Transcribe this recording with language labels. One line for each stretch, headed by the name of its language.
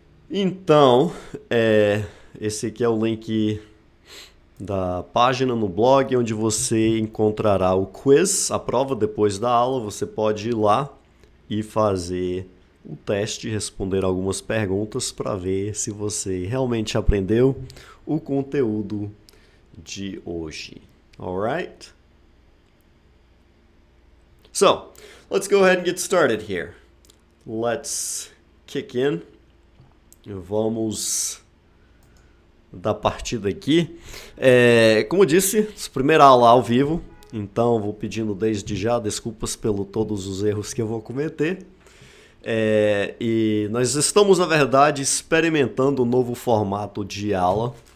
Portuguese: Então, esse aqui é o link da página no blog, onde você encontrará o quiz, a prova depois da aula. Você pode ir lá e fazer o teste, responder algumas perguntas para ver se você realmente aprendeu o conteúdo de hoje.
English: Alright? So, let's go ahead and get started here. Let's kick in.
Portuguese: Vamos da partida aqui. Como eu disse, primeira aula ao vivo, Então, vou pedindo desde já desculpas pelo todos os erros que eu vou cometer. E nós estamos, na verdade, experimentando um novo formato de aula.